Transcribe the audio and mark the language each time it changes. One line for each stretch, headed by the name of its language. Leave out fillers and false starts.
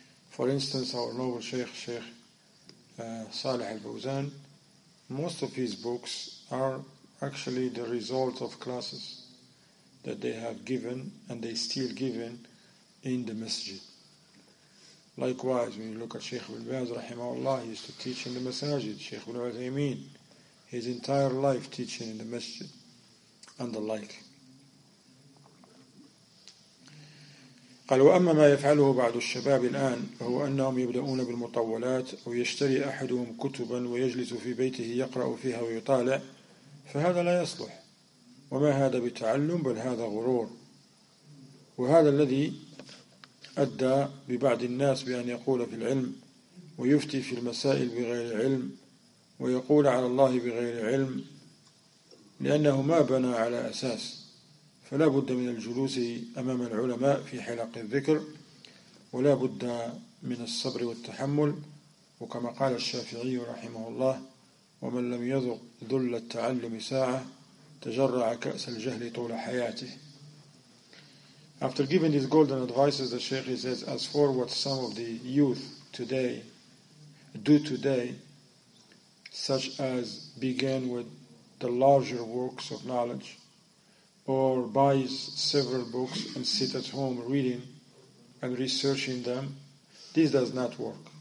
English: For instance, our noble Sheikh, Sheikh Saleh Al-Fawzan, most of his books are actually the result of classes that they have given and they still given in the masjid. Likewise, when you look at Sheikh Ibn Baz, rahimahullah, he used to teach in the masajid. Sheikh Ibn Uthaymeen, his entire life teaching in the masjid and the like.
Arabic: قال وأما ما يفعله بعض الشباب الآن هو أنهم يبدأون بالمطولات ويشتري أحدهم كتبا ويجلس في بيته يقرأ فيها ويطالع فهذا لا يصلح وما هذا بتعلم بل هذا غرور وهذا الذي أدى ببعض الناس بأن يقول في العلم ويفتي في المسائل بغير علم ويقول على الله بغير علم لأنه ما بنى على أساس فلا بد من الجلوس أمام العلماء في حلق الذكر ولا بد من الصبر والتحمل وكما قال الشافعي رحمه الله ومن لم يذق ذل التعلم ساعة تجرع كأس الجهل طول حياته.
English: After giving these golden advices, the Sheikh says, as for what some of the youth today do today, such as begin with the larger works of knowledge, or buys several books and sit at home reading and researching them, this does not work.